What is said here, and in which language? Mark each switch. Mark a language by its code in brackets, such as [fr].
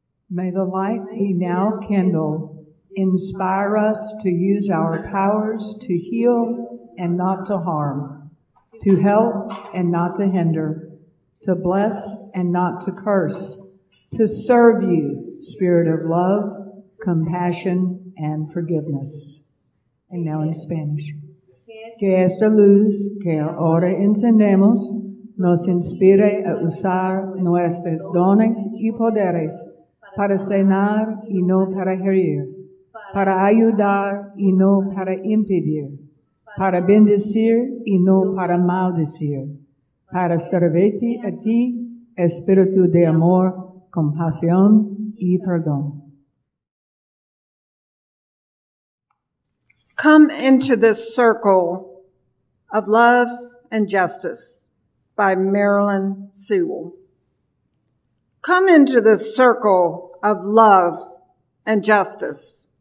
[en] May the light we now kindle inspire us to use our powers to heal and not to harm, to help and not to hinder, to bless and not to curse, to serve you, Spirit of love, compassion, and forgiveness. And now in Spanish. [es] Que esta luz que ahora encendemos nos inspire a usar nuestros dones y poderes para sanar y no para herir, para ayudar y no para impedir, para bendecir y no para maldecir, para servirte a ti, espíritu de amor, compasión y perdón. [en] Come into this circle of love and justice by Marilyn Sewell. Come into this circle of love and justice.